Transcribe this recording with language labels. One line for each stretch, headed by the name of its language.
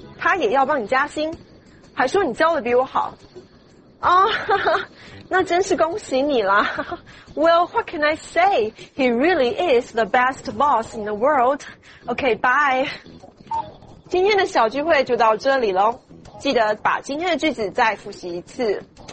Chinese: 他也要帮你加薪，还说你教得比我好啊、oh, 那真是恭喜你啦。
English: Well, what can I say? He really is the best boss in the world. Okay, bye.
Chinese: 今天的小聚会就到这里咯，记得把今天的句子再复习一次。